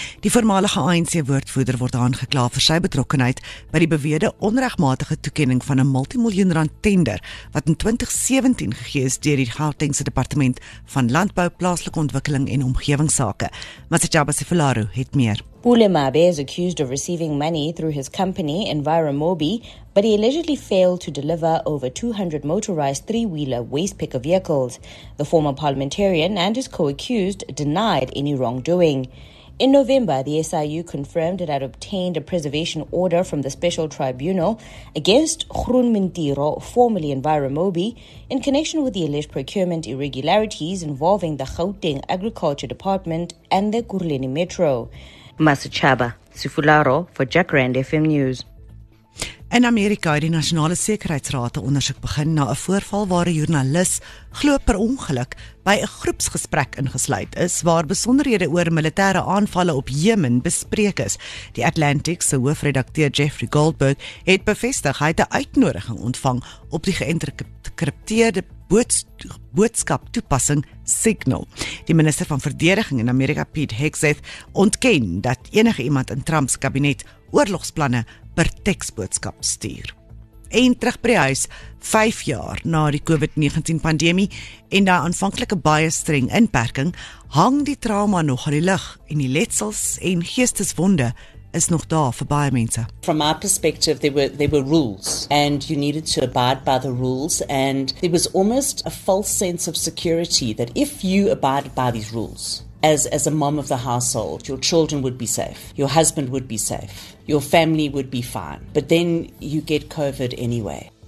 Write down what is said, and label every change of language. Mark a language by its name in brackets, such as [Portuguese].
[Afrikaans] Die voormalige ANC-woordvoerder word aangekla vir sy betrokkenheid by die beweerde onregmatige toekenning van 'n multimiljoen rand tender wat in 2017 gegee is deur die Gautengse Departement van Landbou, Plaaslike Ontwikkeling en Omgewingsake. Masachaba Sifularu het meer. [English] Pule Mabe is accused of receiving money through his company, Enviromobi, but he allegedly failed to deliver over 200 motorized three-wheeler waste picker vehicles. The former parliamentarian and his co-accused denied any wrongdoing. In November, the SIU confirmed it had obtained a preservation order from the Special Tribunal against Groen Mintiro, formerly Enviromobi, in connection with the alleged procurement irregularities involving the Gauteng Agriculture Department and the Kurleni Metro. Masachaba Sifularo for Jacaranda FM News. [Afrikaans] In Amerika het die Nasionale Sekuriteitsraad 'n ondersoek begin na 'n voorval waar 'n joernalis glo per ongeluk by 'n groepsgesprek ingesluit is waar besonderhede oor militêre aanvalle op Jemen bespreek is. Die Atlantic se hoofredakteur Jeffrey Goldberg het bevestig hy het 'n uitnodiging ontvang op die geïnterkripteerde boodskaptoepassing Signal. Die minister van verdediging in Amerika, Pete Hegseth, ontken dat enige iemand in Trumps kabinet oorlogsplanne per teksboodskap stuur. En terug by die huis, 5 jaar na die COVID-19 pandemie en die aanvanklike baie streng inperking, hang die trauma nog in die lug en die letsels en geesteswonde is nog daar vir baie mense. [English] From our perspective, there were rules and you needed to abide by the rules and there was almost a false sense of security that if you abided by these rules, as a mom of the household, your children would be safe, your husband would be safe, your family would be fine, but then you get COVID anyway.